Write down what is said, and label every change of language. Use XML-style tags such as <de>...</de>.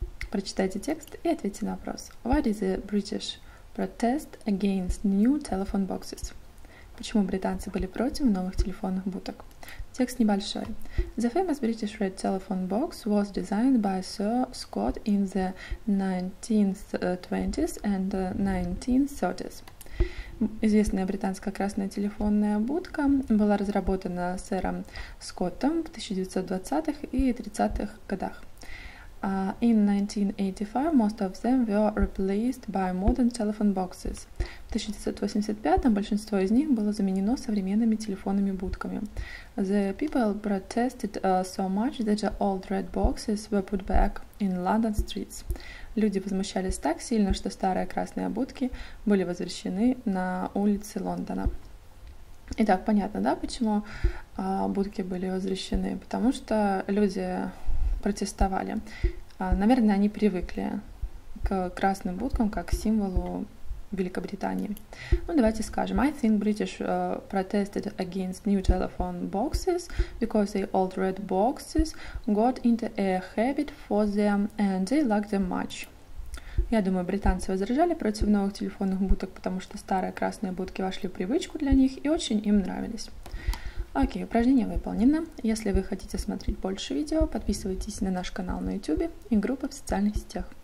<ru>Прочитайте текст и ответьте на вопрос.</ru> <en>What is the British protest against new telephone boxes?</en> <ru>Почему британцы были против новых телефонных будок? Текст небольшой.</ru> <en>The famous British red telephone box was designed by Sir Scott in the 1920s and 1930s.</en> <ru>Известная британская красная телефонная будка была разработана сэром Скоттом в 1920-х и 30-х годах.</ru> <en>In 1985 most of them were replaced by modern telephone boxes.</en> <ru>В 1985 большинство из них было заменено современными телефонными будками.</ru> <en>The people protested so much that the old red boxes were put back in London streets.</en> <ru>Люди возмущались так сильно, что старые красные будки были возвращены на улицы Лондона. Итак, понятно, да, почему будки были возвращены? Потому что люди протестовали. Наверное, они привыкли к красным будкам как символу Великобритании. Ну, давайте скажем.</ru> <en>I think British protested against new telephone boxes because the old red boxes got into a habit for them and they liked them much.</en> <ru>Я думаю, британцы возражали против новых телефонных будок, потому что старые красные будки вошли в привычку для них и очень им нравились. Окей, упражнение выполнено. Если вы хотите смотреть больше видео, подписывайтесь на наш канал на YouTube и группы в социальных сетях.</ru>